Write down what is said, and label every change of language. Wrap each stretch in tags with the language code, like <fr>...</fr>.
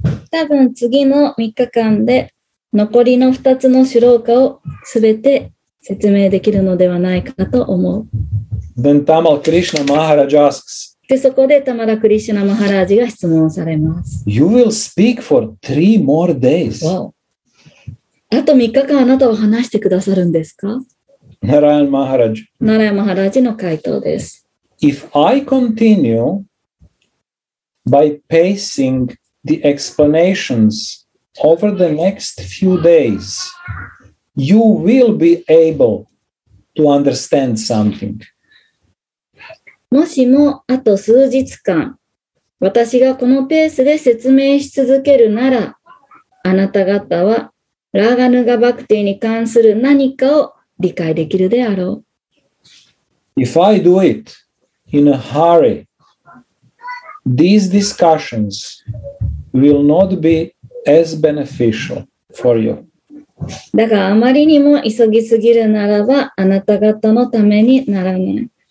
<ja>多分次の3日間で残りの2つのシュローカをすべて説明できるのではないかと思う。</ja> <en>Then Tamal Krishna Maharaj asks.</en> <ja>で、そこでタマラクリシュナマハラージが質問されます。</ja> <en>You will speak for 3 more days. Wow.</en> <ja>あと3日間あなたは話してくださるんですか?</ja> <en>Narayan Maharaj.</en> <ja>Narayan Maharaj の回答です。</ja> <en>If I continue by pacing the explanations over the next few days, you will be able to understand something.</en> <ja>もしもあと数日間、私がこのペースで説明し続けるなら、あなた方はラーガヌガバクティに関する何かを理解できるであろう。</ja> <en>If I do it in a hurry, these discussions will not be as beneficial for you.</en> <ja>だがあまりにも急ぎすぎるならば、あなた方のためにならない。</ja>